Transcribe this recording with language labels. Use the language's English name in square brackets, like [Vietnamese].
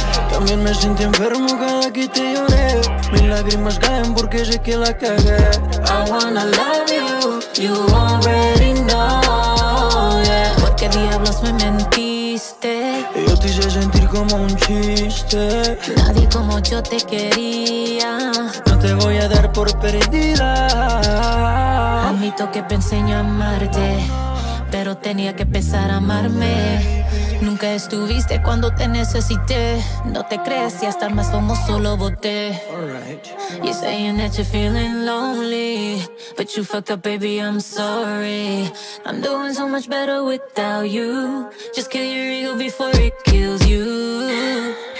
[Spanish] También me sentí enfermo cada que te lloré. Mis lágrimas caen porque sé que la cagué. [English] I wanna love you, you already know, yeah. [Spanish] ¿Por qué diablos me mentiste? Yo te hice sentir como un chiste. Nadie como yo te quería. No te voy a dar por perdida. Admito que pensé en amarte, pero tenía que empezar a amarme. Nunca estuviste cuando te necesité. No te crees y hasta el más famoso lo boté. [English] You're saying that you're feeling lonely, but you fucked up, baby, I'm sorry. I'm doing so much better without you. Just kill your ego before it kills you.